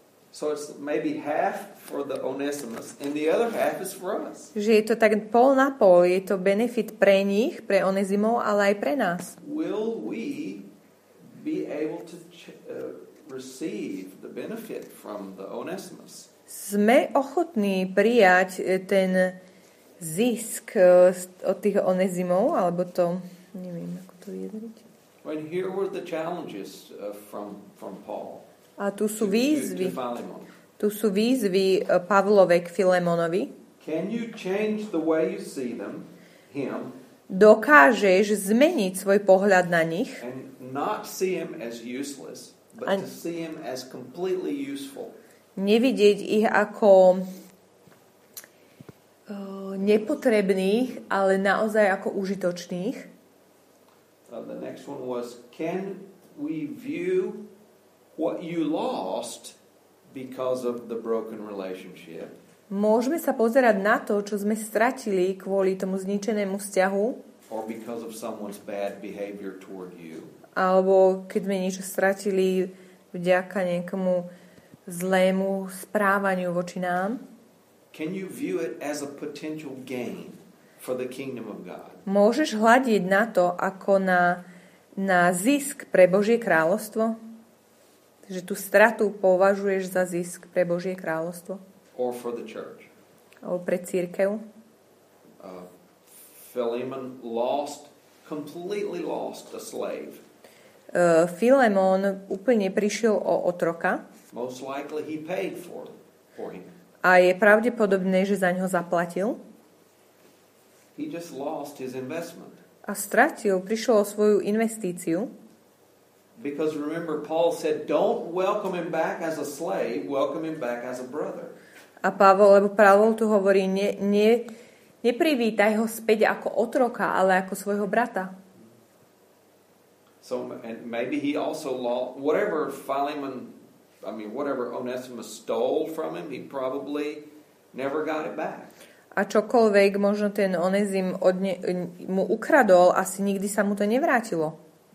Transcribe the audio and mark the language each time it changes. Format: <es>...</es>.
<en>So it's maybe half for the Onesimus and the other half is for us.</en> <sk>Že je to tak pol na pol, je to benefit pre nich, pre Onesimov, ale aj pre nás.</sk> <en>Will we be able to receive the benefit from the Onesimus?</en> <sk>Sme ochotní prijať ten zisk od tých Onesimov, alebo to, neviem, ako to vyjadriť.</sk> <en>And here were the challenges from Paul.</en> <sk>A tu sú výzvy. Tu sú výzvy Pavlove k Filemonovi.</sk> <en>Can you change the way you see them, him?</en> <sk>Dokážeš zmeniť svoj pohľad na nich?</sk> <en>And not see him as useless, but to see him as completely useful.</en> <sk>Nevidieť ich ako nepotrebných, ale naozaj ako užitočných.</sk> <en>The next one was, can we view what you lost because of the broken relationship?</en> <sk>Môžeme sa pozerať na to, čo sme stratili kvôli tomu zničenému vzťahu?</sk> <en>Or because of someone's bad behavior toward you.</en> <sk>Alebo keď sme niečo stratili vďaka nejakému zlému správaniu voči nám?</sk> <en>Can you view it as a potential gain for the kingdom of God?</en> <sk>Môžeš hľadiť na to ako na zisk pre Božie kráľovstvo? Že tú stratu považuješ za zisk pre Božie kráľovstvo?</sk> <en>Or for the church.</en> <sk>Alebo pre cirkev?</sk> <en>Philemon lost, completely lost a slave.</en> <sk>Philemon úplne prišiel o otroka.</sk> <en>Most likely he paid for him.</en> <sk>A je pravdepodobné, že za ňo zaplatil.</sk> <en>He just lost his investment.</en> <sk>A stratil, prišiel o svoju investíciu.</sk> <en>Because remember Paul said don't welcome him back as a slave, welcome him back as a brother.</en> <sk>A Pavol, lebo Pavol tu hovorí neprivítaj ho späť ako otroka, ale ako svojho brata.</sk> <en>So and maybe he also lost whatever Onesimus stole from him, he probably never got it back.</en> <sk>A čokoľvek možno ten Onesim mu ukradol, asi nikdy sa mu to nevrátilo.</sk>